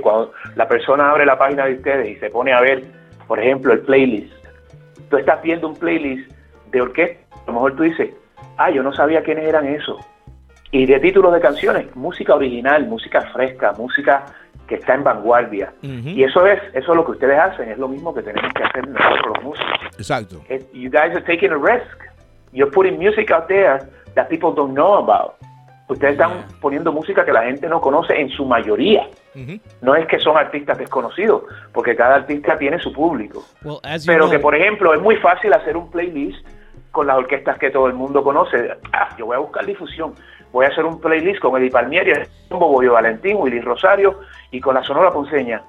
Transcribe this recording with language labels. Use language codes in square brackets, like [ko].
[es] Cuando la persona abre la página de ustedes y se pone a ver, por ejemplo, el playlist, tú estás viendo un playlist de orquesta, a lo mejor tú dices, ah, yo no sabía quiénes eran esos. Y de títulos de canciones, música original, música fresca, música que está en vanguardia. Uh-huh. Y eso es lo que ustedes hacen, es lo mismo que tenemos que hacer nosotros los músicos. Exacto. [en] You guys are taking a risk. You're putting music out there that people don't know about. [es] Ustedes están poniendo música que la gente no conoce en su mayoría. Uh-huh. No es que son artistas desconocidos, porque cada artista tiene su público. [en] Well, [es] pero [en] know, [es] que, por ejemplo, es muy fácil hacer un playlist con las orquestas que todo el mundo conoce. Ah, yo voy a buscar difusión. Voy a hacer un playlist con Eddie Palmieri, Bobo Valentín, Willy Rosario y con la Sonora Ponceña.